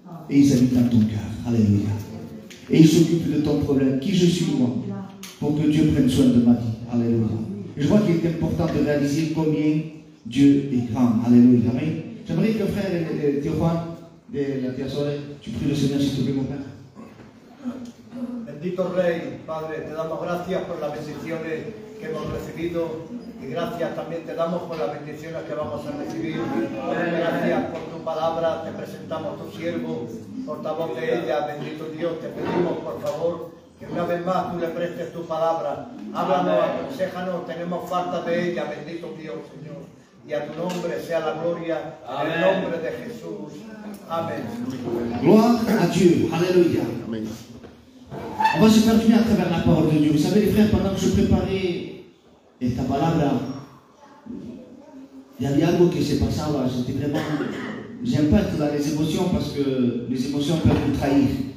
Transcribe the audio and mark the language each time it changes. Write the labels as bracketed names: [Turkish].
[French] Et il habite dans ton cœur, alléluia. Et il s'occupe de ton problème, qui je suis moi, pour que Dieu prenne soin de ma vie, alléluia. Je vois qu'il est important de réaliser combien Dieu est grand. Alléluia. Amen. J'aimerais que frère Théophane, de la Pierre Soleil, tu pries le Seigneur, s'il te plaît, mon père. [Spanish] Bendito Rey, Padre, te damos gracias por las bendiciones que hemos recibido. Y gracias también te damos por las bendiciones que vamos a recibir. Gracias por tu palabra, te presentamos tu siervo, portavoz de ella. Bendito Dios, te pedimos por favor. Que una vez más tú le prestes tu palabra. Háblanos, aconséjanos, tenemos falta de ella, bendito Dios, Señor. Y a tu nombre sea la gloria, en el nombre de Jesús. Amén. [French] Gloire a Dieu, alléluia. Amen. On va se faire venir à travers la parole de Dieu. Vous savez, les frères, pendant que je préparais [Spanish] esta palabra, [French] il y avait [Spanish] algo que se pasaba. [French] J'étais vraiment. J'aime pas être dans les émotions parce que les émotions peuvent nous trahir.